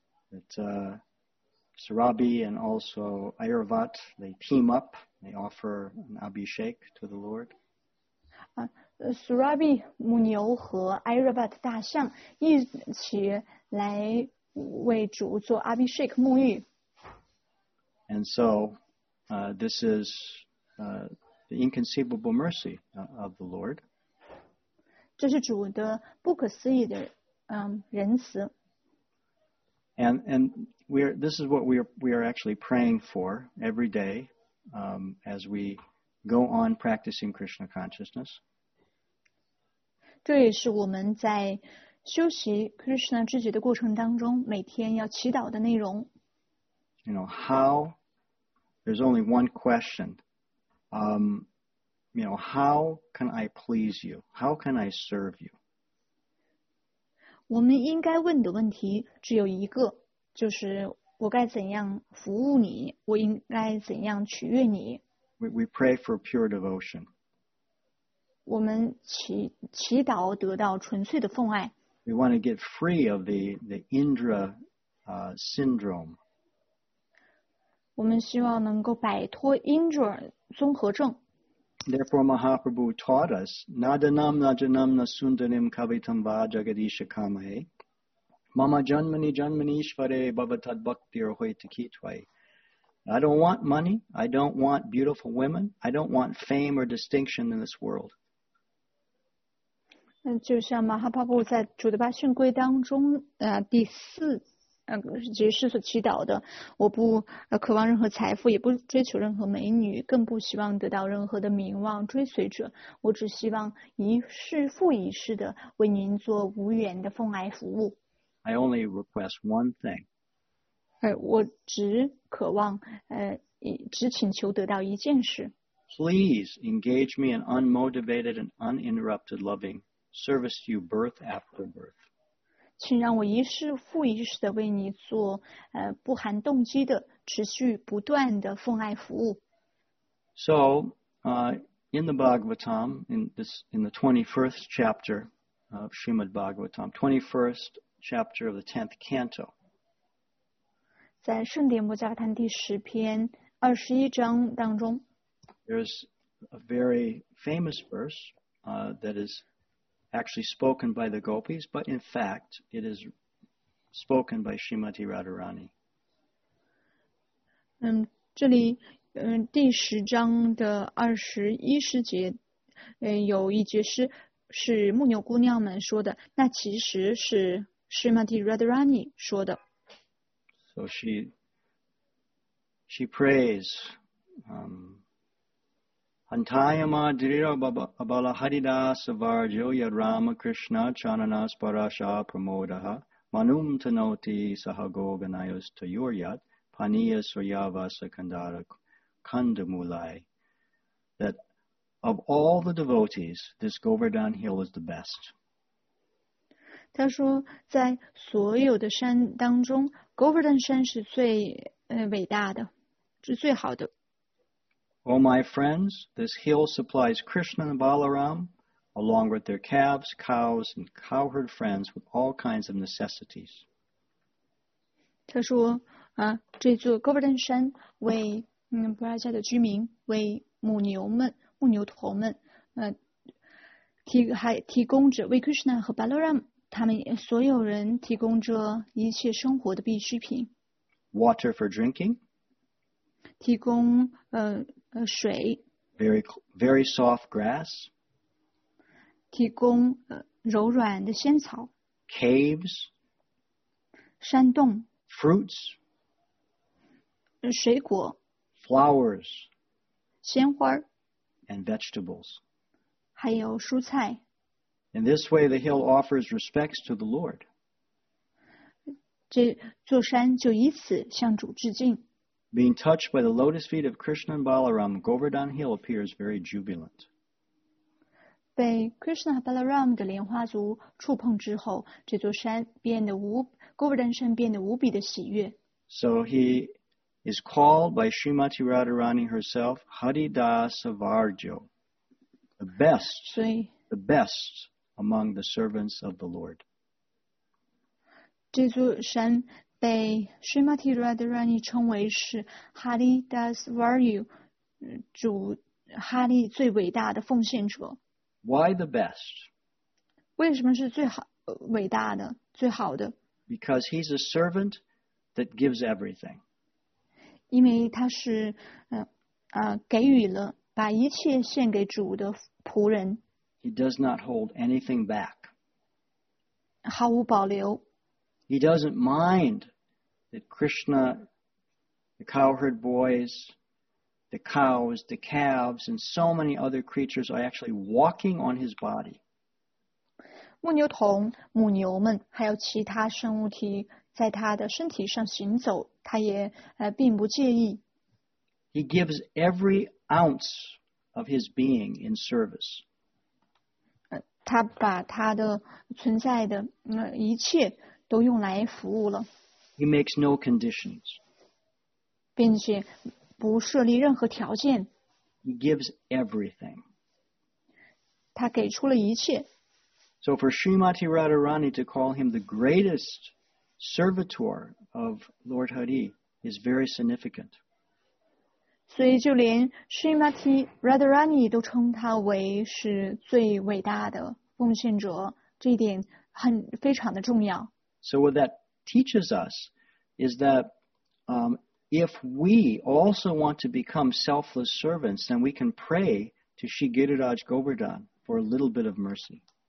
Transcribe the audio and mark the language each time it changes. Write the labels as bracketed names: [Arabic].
[English] That Sarabi and also Airavat, they team up, they offer an Abhishek to the Lord. [Chinese] Sarabi, 母牛和 Airavat, 大象一起来为主做 Abhishek, 沐浴。 [English] And so, this is the inconceivable mercy of the Lord. [Chinese] 这是主的不可思议的仁慈。 [English] And this is what we are actually praying for every day as we go on practicing Krishna consciousness. [Chinese] 这也是我们在修习 Krishna 知觉的过程当中每天要祈祷的内容。 [English] You know, how, there's only one question. You know, how can I please you? How can I serve you? [Chinese] 我们应该问的问题只有一个，就是我该怎样服务你，我应该怎样取悦你。 [English] We pray for pure devotion. [Chinese] 我们祈祷得到纯粹的奉爱。 [English] We want to get free of the Indra syndrome. [Chinese] 我们希望能够摆脱 Indra 综合症。 [English] Therefore, Mahaprabhu taught us, [Sanskrit] Nadanam Najanam Nasundanim Kavitam Vajagadisha Kamahe, Mama Janmani Janmanishvare Bhavatad Bhaktir Hoitakitvai. [English] I don't want money, I don't want beautiful women, I don't want fame or distinction in this world. [Chinese] 就像 Mahaprabhu 在主的八训规当中第四节是所祈祷的，我不渴望任何财富，也不追求任何美女，更不希望得到任何的名望追随者，我只希望一世复一世的为您做无缘的奉爱服务。 [English] I only request one thing. [Chinese] 我只渴望只请求得到一件事。 [English] Please engage me in unmotivated and uninterrupted loving service to you birth after birth. [Chinese] 请让我一世复一世的为你做不含动机的持续不断的奉爱服务。 [English] So, in the Bhagavatam, in the 21st chapter of Srimad Bhagavatam, 21st chapter of the 10th canto. [Chinese] 在圣典摩迦坛第十篇二十一章当中。 [English] There's a very famous verse, that is,actually spoken by the gopis, but in fact, it is spoken by Srimati Radharani. [Chinese] 这里第十章的二十一十节有一节是牧牛姑娘们说的，那其实是 Srimati Radharani 说的。 [English] So she prays, [Sanskrit] Antayama Dhrira Abala Haridasa Varjo Yarama Krishna Chanana Sparasha Pramodaha Manum Tanoti Sahagoganayos Tayuryat Paniya Suryava Sakandara Kandamulai. [English] That of all the devotees, this Govardhan Hill is the best. [Chinese] 他说在所有的山当中 Govardhan 山是最伟大的，是最好的。 [English] O my friends, this hill supplies Krishna and Balaram, along with their calves, cows, and cowherd friends, with all kinds of necessities. [Chinese] 他说，这座 Govardhan 山为布拉加的居民，为母牛们、牧牛头们，提供着为 Krishna 和 Balaram 他们所有人提供着一切生活的必需品。 [English] Water for drinking. [Chinese] 提供水 [English] very soft grass [Chinese] 提供柔软的仙草 [English] caves [Chinese] 山洞 [English] fruits [Chinese] 水果 [English] flowers [Chinese] 鲜花 [English] and vegetables [Chinese] 还有蔬菜 [English] In this way the hill offers respects to the Lord [Chinese] 这座山就以此向主致敬。 [English] Being touched by the lotus feet of Krishna and Balaram, Govardhan Hill appears very jubilant. [Chinese] 被 Krishna 和 Balaram 的莲花足触碰之后，这座山变得无 Govardhan 山变得无比的喜悦。 [English] So he is called by Srimati Radharani herself, Haridasa Varjo, the best, the best among the servants of the Lord. [Chinese] 这座山被 Srimati Radharani 称为是 Hari Das Varu, 主 Hari 最伟大的奉献者。 [English] Why the best? [Chinese] 为什么是最好伟大的最好的 [English] Because he's a servant that gives everything. [Chinese] 因为他是给予了把一切献给主的仆人。 [English] He does not hold anything back. [Chinese] 毫无保留。 [English] He doesn't mind that Krishna, the cowherd boys, the cows, the calves, and so many other creatures are actually walking on his body. [Chinese] 牧牛童、母牛们还有其他生物体在他的身体上行走，他也并不介意。 [English] He gives every ounce of his being in service. [Chinese] 他把他的存在的一切都用来服务了。 [English] He makes no conditions. [Chinese] 并且不设立任何条件。 [English] He gives everything. [Chinese] 他给出了一切。 [English] So for Srimati Radharani to call him the greatest servitor of Lord Hari is very significant. [Chinese] 所以就连 Srimati Radharani 都称他为是最伟大的奉献者，这一点非常的重要。 [English] So what that teaches us is that if we also want to become selfless servants, then we can pray to Shri Giriraj Govardhan for a little bit of mercy.